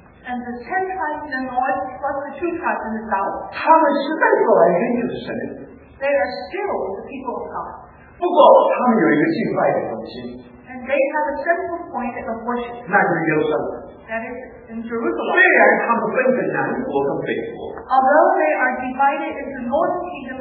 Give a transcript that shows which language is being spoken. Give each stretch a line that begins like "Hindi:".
English: And the 10 tribes in the north plus the 2 tribes in the south.
Chinese: 他们是代表来认识神。
English: They are still the people of God.
Chinese: 不过他们有一个敬拜的中心。
English: And they have a central point of worship.
Chinese: 那就是耶路撒冷。
English: That is in Jerusalem.
Chinese: 虽然他们分成南国和北国。
English: Although they are divided into northern kingdom